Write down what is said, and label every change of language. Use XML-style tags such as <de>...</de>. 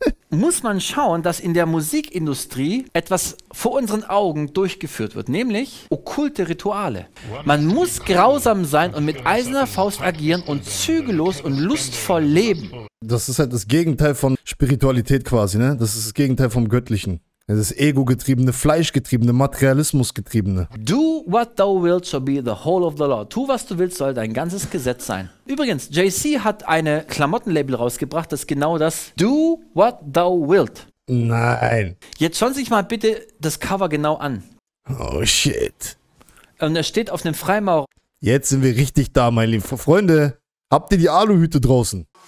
<de>Muss man schauen, dass in der Musikindustrie etwas vor unseren Augen durchgeführt wird, nämlich okkulte Rituale. Man muss grausam sein und mit eiserner Faust agieren und zügellos und lustvoll leben. Das ist halt das Gegenteil von Spiritualität quasi, ne? Das ist das Gegenteil vom Göttlichen. Das ist Ego-getriebene, Fleisch-getriebene, Materialismus-getriebene.</de> <en>Do what thou wilt shall be the whole of the law.</en> <de>Tu, was du willst, soll dein ganzes Gesetz sein. Übrigens, JC hat eine Klamottenlabel rausgebracht, das genau das</de> <en>Do what thou wilt.</en> <de>Nein. Jetzt schauen Sie sich mal bitte das Cover genau an.</de> <en>Oh shit.</en> <de>Und er steht auf einem Freimaurer. Jetzt sind wir richtig da, meine lieben Freunde. Habt ihr die Aluhüte draußen?</de>